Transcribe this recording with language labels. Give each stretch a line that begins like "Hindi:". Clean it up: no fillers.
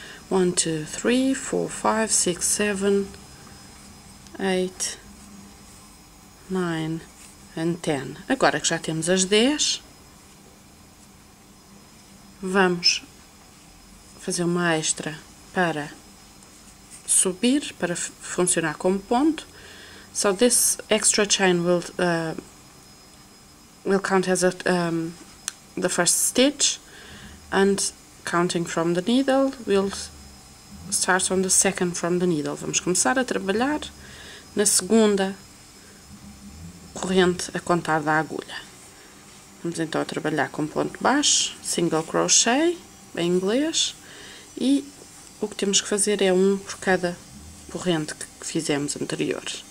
English: 1, 2, 3, 4, 5, 6, 7, 8, 9 and 10.
Portuguese: Agora que já temos as 10, vamos fazer uma extra para subir, para funcionar como ponto.
English: So this extra chain will count as the first stitch, and counting from the needle, we'll start on the second from the needle.
Portuguese: Vamos começar a trabalhar na segunda corrente a contar da agulha. Vamos então trabalhar com ponto baixo, single crochet, em inglês, e o que temos que fazer é um por cada corrente que fizemos anterior.